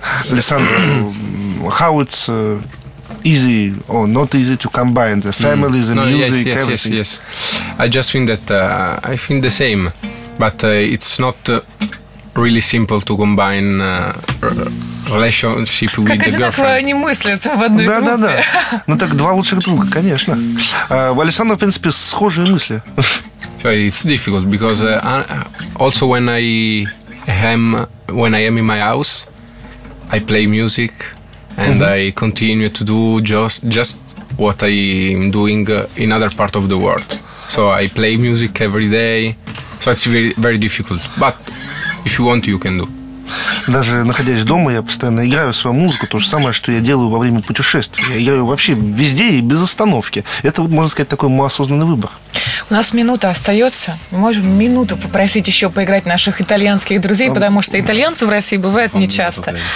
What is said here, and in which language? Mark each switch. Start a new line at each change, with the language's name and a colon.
English: Александро, how it's easy or not easy to combine the family, the music, everything? Yes. I just think that I think the same. But it's not really simple to combine relationship with the girlfriend.
Russian: Как одинаково они мыслят в одной группе. Да. Ну так два лучших друга, конечно. У Александра, в принципе, схожие мысли.
English: So it's difficult because also when I am in my house, I play music and I continue to do just what I am doing in other part of the world. So I play music every day. So it's very, very difficult, but if you want, you can do.
Russian: Даже находясь дома, я постоянно играю свою музыку, то же самое, что я делаю во время путешествий. Я играю вообще везде и без остановки. Это, можно сказать, такой мой осознанный выбор. У нас минута остается. Мы можем минуту попросить еще поиграть наших итальянских друзей, потому что итальянцы в России бывают нечасто.